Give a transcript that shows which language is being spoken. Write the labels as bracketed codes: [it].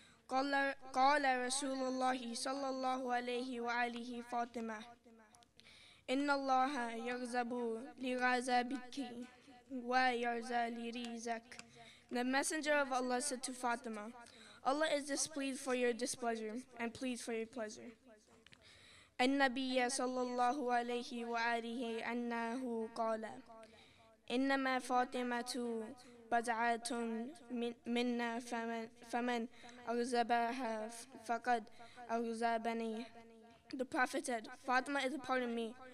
[ar] قال رسول الله صلى الله عليه وآله فاطمة إن الله يغضب لغضبك ويرضى لرضاك. [en] The messenger of Allah said to Fatima, Allah is displeased for your displeasure and pleased for your pleasure. [ar] النبي صلى الله عليه وآله أنه قال إنما فاطمة بزعتن منا فمن أغزبها فقد أغزبني. [en] The Prophet said, Fatima is a part of me.